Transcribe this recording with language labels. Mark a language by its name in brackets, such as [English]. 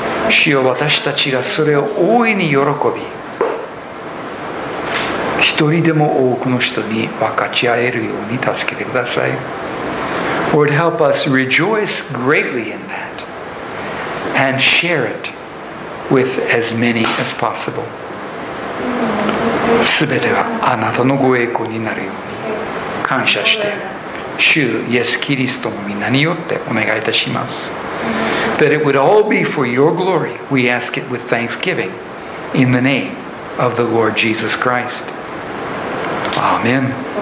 [Japanese] 主よ、私たちがそれを大いに喜び、人人でも多くの人に分かち合えるように助けてください。 [English] Lord, help us rejoice greatly in that and share it with as many as possible. [Japanese] すべてがあなたのご栄光になるように感謝して、主イエス・キリストの御名によってお願いいたします。 [English] That it would all be for your glory, we ask it with thanksgiving in the name of the Lord Jesus Christ. Amen.